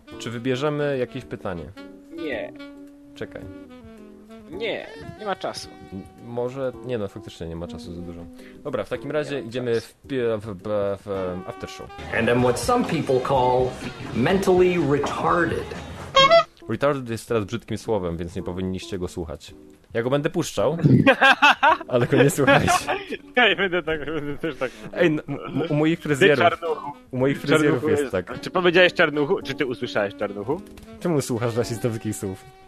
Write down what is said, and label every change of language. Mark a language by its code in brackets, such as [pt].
[pl] Czy wybierzemy jakieś pytanie? Nie. Czekaj. Nie, nie ma czasu. Może, nie no, faktycznie nie ma czasu za dużo. Dobra, w takim razie idziemy w after show. [en] And I'm what some people call mentally retarded. [pl] Retarded jest teraz brzydkim słowem, więc nie powinniście go słuchać. Ja go będę puszczał, ale go nie słuchajcie. Ja będę też tak. Ej, no, u moich fryzjerów. U moich fryzjerów jest tak. Czy powiedziałeś czarnuchu? Czy ty usłyszałeś czarnuchu? Czemu słuchasz rasistowskich słów?